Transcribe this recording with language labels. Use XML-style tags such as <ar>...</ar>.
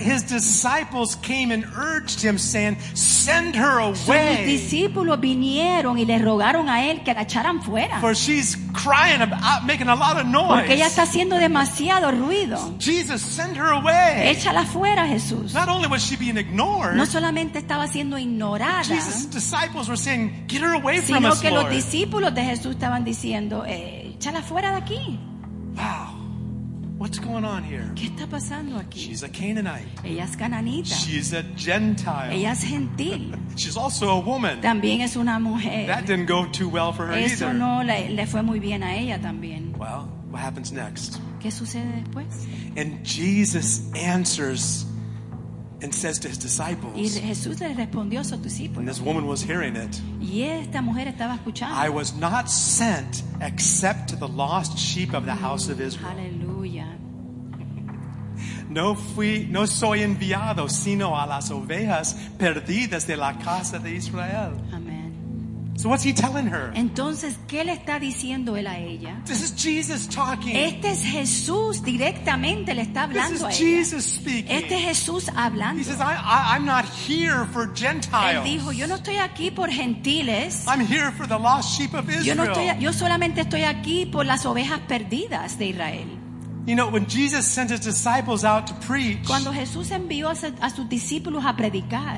<en>His disciples came and urged him, saying, "Send her away."</en> <es>Sus discípulos vinieron y le rogaron a él que la echaran fuera.</es> <en>For she's crying, making a lot of noise.</en> <es>Porque ella está haciendo demasiado ruido.</es> <en>Jesus, send her away.</en> <es>Échala fuera, Jesús.</es> <en>Not only was she being ignored.</en> <es>No solamente estaba siendo ignorada.</es> <en>Jesus' disciples were saying, "Get her away from us, Lord."</en> <es>Sino que los discípulos de Jesús estaban diciendo, échala fuera de aquí.</es> <en>Wow. What's going on here?</en> <es>¿Qué está pasando aquí?</es> <en>She's a Canaanite.</en> <es>Ella es cananita.</es> <en>She's a Gentile.</en> <es>Ella es gentil.</es> <en>She's also a woman.</en> <es>También es una mujer.</es> <en>That didn't go too well for her</en> <es>eso</es> <en>either.</en> <es>No le fue muy bien a ella también.</es> <en>Well, what happens next?</en> <es>¿Qué sucede después?</es> <en>And Jesus answers and says to his disciples.</en> <es>Y Jesús le respondió a sus discípulos.</es> <en>And this woman was hearing it.</en> <es>Y esta mujer estaba escuchando.</es> <en>I was not sent except to the lost sheep of the house of Israel.</en> <es>Aleluya. No soy enviado sino a las ovejas perdidas de la casa de Israel.</es> <en>Amen. So what's he telling her?</en> <es>Entonces, ¿qué le está diciendo él a ella?</es> <en>This is Jesus talking.</en> <es>Este es Jesús directamente le está hablando a ella.</es> <en>This is Jesus speaking.</en> <es>Este es Jesús hablando.</es> <en>He says, I'm not here for Gentiles.</en> <es>Él dijo, yo no estoy aquí por gentiles.</es> <en>I'm here for the lost sheep of Israel.</en> <es>Yo solamente estoy aquí por las ovejas perdidas de Israel.</es> <en>You know, when Jesus sent his disciples out to preach,</en> <es>cuando Jesús envió a sus discípulos a predicar,</es>